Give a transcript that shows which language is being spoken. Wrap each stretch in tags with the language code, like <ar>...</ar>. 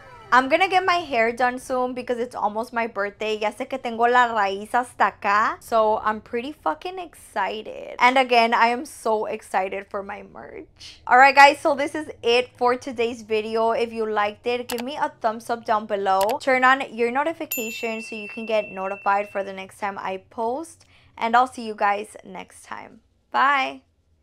<en>I'm gonna get my hair done soon because it's almost my birthday.</en> <es>Ya sé que tengo la raíz hasta acá.</es> <en>So I'm pretty fucking excited. And again, I am so excited for my merch. All right, guys, so this is it for today's video. If you liked it, give me a thumbs up down below. Turn on your notifications so you can get notified for the next time I post. And I'll see you guys next time. Bye.</en>